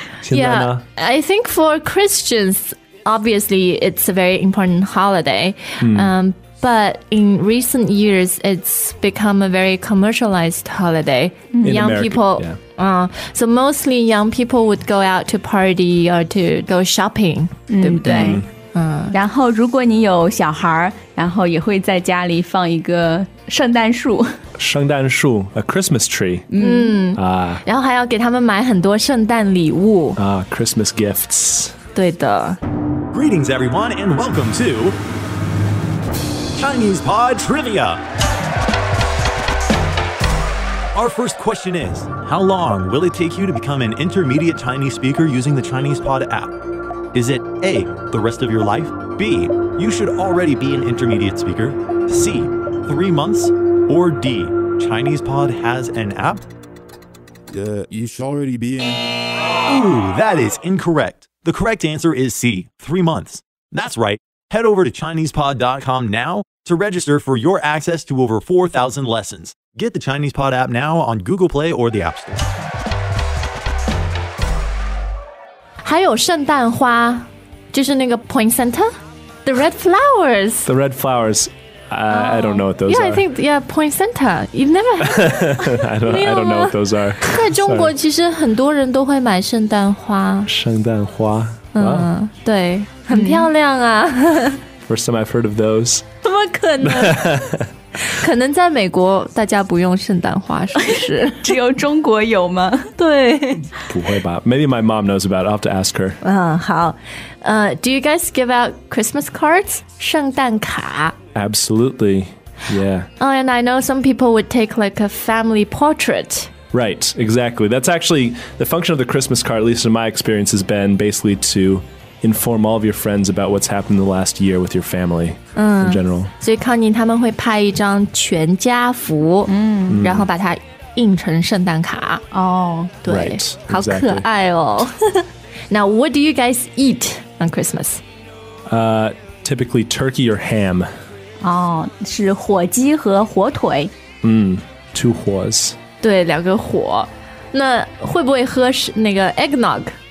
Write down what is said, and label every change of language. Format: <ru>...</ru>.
<en>Yeah, I think for Christians... Obviously, it's a very important holiday. But in recent years, it's become a very commercialized holiday. Young America, people. Yeah. So mostly young people would go out to party or to go shopping,</en> <zh>对不对? 然后如果你有小孩，然后也会在家里放一个圣诞树。圣诞树 ，</zh> <en>a Christmas tree。</en> <zh>然后还要给他们买很多圣诞礼物。</zh> <en>Christmas gifts。</en> <zh>对的。</zh> <en>Greetings, everyone, and welcome to Chinese Pod Trivia. Our first question is, how long will it take you to become an intermediate Chinese speaker using the Chinese Pod app? Is it A, the rest of your life? B, you should already be an intermediate speaker? C, 3 months? Or D, Chinese Pod has an app? You should already be in. Ooh, that is incorrect. The correct answer is C, 3 months. That's right. Head over to ChinesePod.com now to register for your access to over 4,000 lessons. Get the Chinese Pod app now on Google Play or the App Store.</en> <zh>还有圣诞花，就是那个 poinsettia?</zh> <en>The red flowers. The red flowers. I don't know what those yeah, Yeah, I think, yeah, poinsettia. You've never heard of I don't know what those are.</en> <zh>在中国其实很多人都会买圣诞花。圣诞花。对。很漂亮啊。</zh> <en>First time I've heard of those.</en> <zh>怎么可能可能在美国大家不用圣诞花是不是只有中国有吗对不会吧</zh> <en>Maybe my mom knows about it I'll have to ask her 好Do you guys give out Christmas cards?</en> <zh>圣诞卡</zh> <en>Absolutely Yeah Oh and I know some people would take like a family portrait Right exactly That's actually the function of the Christmas card at least in my experience has been basically toinform all of your friends about what's happened in the last year with your family in general.</en> <zh>所以康妮他们会拍一张全家福然后把它印成圣诞卡。哦、对。</zh> <en>Right,</en> <zh>好可爱哦。</zh> <en>Now, what do you guys eat on Christmas? Typically turkey or ham.</en> <zh>哦、是火鸡和火腿。</zh> <en>Two whores.</en> <zh>对两个火。那会不会喝那个 eggnog?</zh>